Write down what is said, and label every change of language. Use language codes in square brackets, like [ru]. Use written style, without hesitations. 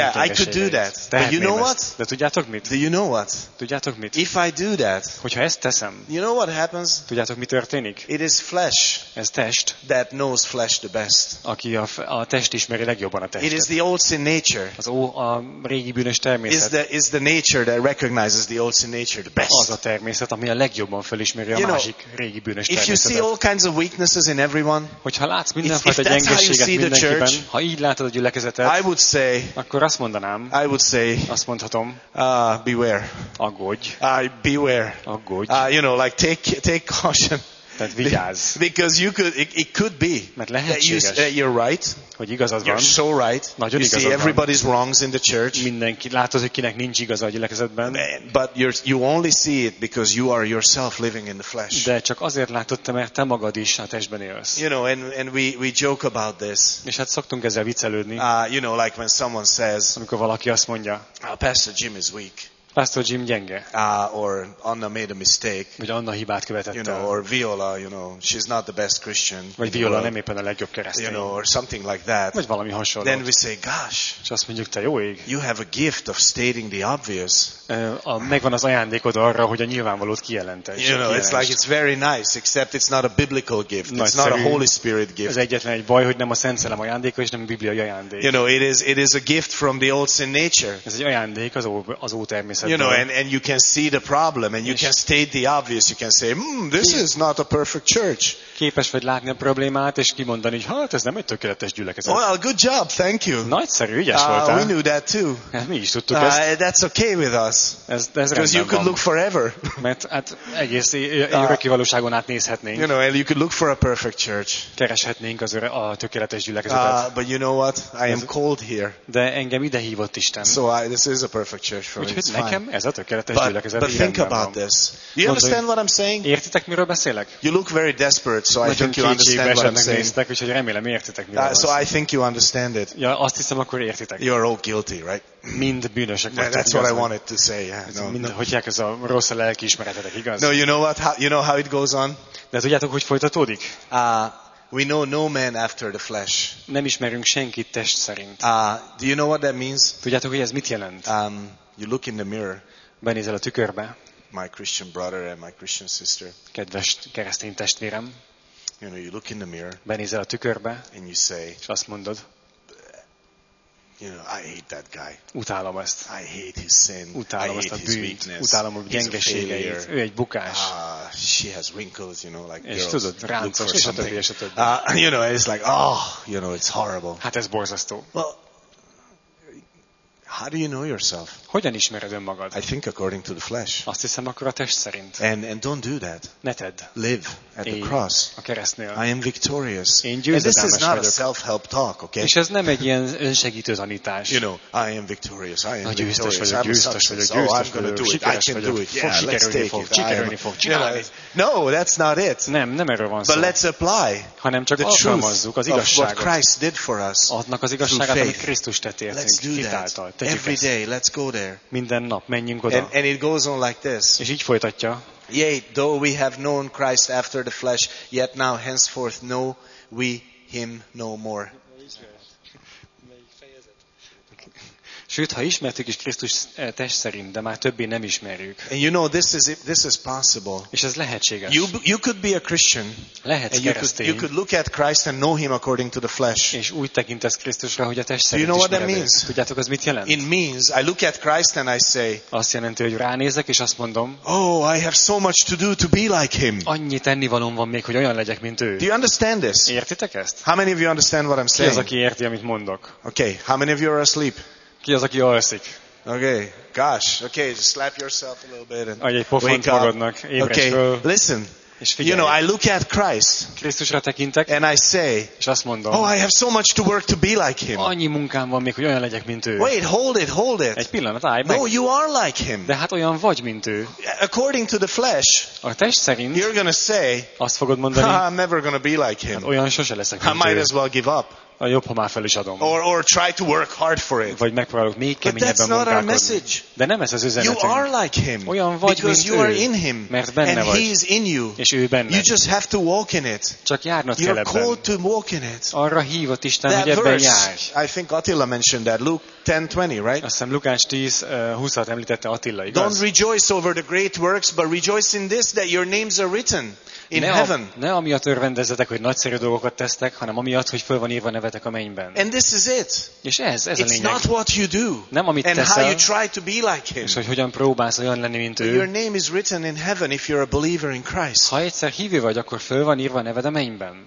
[hu] gyengeségeit. [en] Yeah, I could do that. But you know what? [hu] De tudjátok mit? [en] Do you know what? [hu] Tudjátok mit? [en] If I do that, [hu] hogyha ezt teszem, [en] you know what happens? [hu] Tudjátok mi történik? [en] It is flesh. [hu] Ez test. [en] That knows flesh the best. [hu] Aki a test ismeri legjobban a testet. [en] It is the old sin nature. [hu] Az a régi bűnös természet. [en] Is the nature that recognizes the old sin nature the best. [hu] Az a természet, ami a legjobban felismeri a másik régi bűnös természetet. [en] If you see all kinds of weaknesses in everyone, [hu] hogyha látsz mindenfajta gyengeséget mindenkiben, ha így látod a gyülekezetet, [en] I would say, [hu] akkor azt mondanám, [en] I would say, [hu] azt mondhatom, [en] beware, [hu] aggódj, [en] beware, [hu] aggódj, [en] you know, like take caution. Because you could, it could be that you're right. [hu] Hogy igazad van. [en] You're so right. [hu] Nagyon [en] you see everybody's wrongs in the church. [hu] Mindenki látod, hogy kinek nincs igaza a gyülekezetben. [en] But you only see it because you are yourself living in the flesh. [hu] De csak azért látod, mert te magad is a testben élsz. [en] You know, and we joke about this. [hu] És hát szoktunk ezzel viccelődni. [en] You know, like when someone says, [hu] amikor valaki azt mondja, [en] Pastor Jim is weak. [hu] Pastor Jim gyenge. [en] Or Anna made a mistake. [hu] Vagy Anna hibát követett. [en] You know, or Viola, you know, she's not the best Christian. [hu] Vagy Viola nem éppen a legjobb keresztény. [en] You know, or something like that. [hu] Vagy valami hasonló. [en] Then we say, gosh. [hu] És azt mondjuk, te jó ég. [en] You have a gift of stating the obvious. [hu] Megvan az ajándékod arra, hogy a nyilvánvalót kijelentesd. [en] You know, it's like it's very nice, except it's not a biblical gift. [hu] Nagyszerű. [en] It's not a Holy Spirit gift. [hu] Ez egyetlen egy baj, hogy nem a Szent Szellem ajándéka, és nem a bibliai ajándék. [en] You know, it is a gift from the old sin nature. [hu] Ez egy ajándék az ó természet. [en] You know, and you can see the problem, and you can state the obvious. You can say, this is not a perfect church. [hu] Képes vagy látni a problémát, és kimondani, hogy hát, ez nem egy tökéletes gyülekezet. [en] Well, good job, thank you. [hu] Nagyszerű, ügyes voltál. [en] We knew that too. [hu] Mi is tudtuk ezt. [en] That's okay with us. Because you could look forever. [hu] Mert hát egész öröki valóságon átnézhetnénk. [en] You know, and you could look for a perfect church. [hu] Kereshetnénk az a tökéletes gyülekezetet. [en] But you know what? I am called here. [hu] De engem ide hívott Isten. [en] So this is a perfect church for me. [hu] Ez a tökéletes gyülekezet. [en] But think about this. You understand what I'm saying? [hu] Értitek, miről beszélek? [en] You look very desperate, so I think you understand what I'm saying. [hu] Néztek, úgyhogy remélem, értitek, miről beszélek. [en] So I think you understand it. [hu] Ja, azt hiszem, akkor értitek. [en] You are all guilty, right? [hu] Mind bűnösek vagytok. [en] That's what I wanted to say. Yeah. No, [hu] mind, no. Hogyják ez a rossz a lelki ismeretetek, igaz? [en] No, you know what? You know how it goes on? [hu] De tudjátok, hogy folytatódik? [en] We know no man after the flesh. [hu] Nem ismerünk senkit test szerint. [en] Do you know what that means? [hu] Tudjátok, hogy ez mit jelent? [en] You look in the mirror. [hu] Benézel a tükörbe. [en] My Christian brother and my Christian sister. [hu] Kedves keresztény testvérem. [en] You know, you look in the mirror. [hu] Benézel a tükörbe. [en] And you say. [hu] És azt mondod. [en] You know, I hate that guy. [hu] Utálom ezt. [en] I hate his sin. [hu] Utálom ezt a bűnt. Utálom a gyengeségeit. Ő egy bukás. [en] She has wrinkles, you know, like [hu] és [en] girls. [hu] És tudod, ráncos, és a többi, és a többi. [en] You know, it's like, you know, it's horrible. [hu] Hát ez borzasztó. [en] How do you know yourself? [hu] Hogyan ismered önmagad? [en] I think according to the flesh. [hu] Azt hiszem, akkor a test szerint. [en] And don't do that. [hu] Ne tedd. [en] Live at the cross. [hu] A keresztnél. [en] I am victorious. [hu] Én győzedelmes vagyok. [en] And this is not a self-help talk, okay? [hu] És ez nem egy ilyen önsegítő tanítás. [en] You know, I am victorious. I am [hu] a győztes vagyok, győztes vagyok, győztes vagyok. [en] I can do it. Yeah, let's take it. [hu] Sikerülni fog, csinálni. [en] No, that's not it. [hu] Nem erről van szó. [en] But let's apply. [hu] Hanem csak alkalmazzuk az igazságot. [en] What Christ did for us. [hu] Adnak az igazságot, amit Krisztus tett értünk. [en] Let's do that. [hu] tegyük [en] every [hu] ezt. [en] Day, let's go there. [hu] Minden nap menjünk oda. [en] And it goes on like this. [hu] És így folytatja. [en] Yea, though we have known Christ after the flesh, yet now henceforth know we him no more. [hu] Sőt, ha ismertük is Krisztus test szerint, de már többé nem ismerjük. [en] And you know, this is possible. [hu] És ez lehetséges. [en] You could be a Christian. [hu] Lehetsz keresztény. [en] You could look at Christ and know him according to the flesh. [hu] És úgy tekintesz Krisztusra, hogy a test szerint. [en] Do you know what that means? [hu] Tudjátok, az mit jelent? [en] It means I look at Christ and I say. [hu] Azt jelenti, hogy ránézek és azt mondom. [en] Oh, I have so much to do to be like him. [hu] Annyi tennivalóm van még, hogy olyan legyek, mint ő. [en] Do you understand this? [hu] Értitek ezt? [en] How many of you understand what I'm saying? [hu] Ki az, aki érti, amit mondok? [en] Okay, how many of you are asleep? [hu] Ki az, aki alszik? [en] Okay, gosh, okay, just slap yourself a little bit and wake up. [hu] Adj egy pofont magadnak, ébresd [en] okay. [hu] Föl. [en] Listen, you know, I look at Christ, [hu] Krisztusra tekintek, [en] and I say, [hu] és azt mondom, [en] oh, I have so much to work to be like him. [hu] Annyi munkám van még, hogy olyan legyek, mint ő. [en] Wait, hold it. [hu] Egy pillanat, állj meg. [en] No, you are like him. [hu] De hát olyan vagy, mint ő. [en] According to the flesh, [hu] a test szerint, [en] you're gonna say, [hu] azt fogod mondani, [en] I'm never gonna be like him. [hu] Hát olyan sose leszek, mint [en] I might as well give up. [hu] A jobb, ha már fel is adom. [en] Or try to work hard for it. [hu] Vagy megpróbálok még keményebben munkálkodni. De nem ez az üzenetünk. [en] You are like him. [hu] Olyan vagy, [en] because [hu] mint [en] you are in him. [hu] Mert benne [en] and [hu] vagy. [en] He is in you. [hu] És ő benned. [en] You just have to walk in it. [hu] Csak járnod [en] you're [hu] kell [en] called [hu] ebben. [en] To walk in it. [hu] Arra hívott Isten, [en] that [hu] hogy ebben [en] verse, [hu] járj. [en] I think Attila mentioned that. Luke 10:20, right? [hu] Azt hiszem Lukács 10:20-at említette Attila, igaz? [en] Don't rejoice over the great works, but rejoice in this, that your names are written. [hu] Ne amiatt örvendezzetek, hogy nagyszerű dolgokat tesztek, hanem amiatt, hogy föl van írva nevetek a mennyben. [en] And this is it. [hu] És ez a lényeg. [en] It's not what you do. [hu] Nem amit [en] and [hu] teszel. [en] How you try to be like him. [hu] És hogy hogyan próbálsz olyan lenni, mint ő. [en] Your name is written in heaven if you're a believer in Christ. [hu] Ha egyszer hívő vagy, akkor föl van írva neved a mennyben.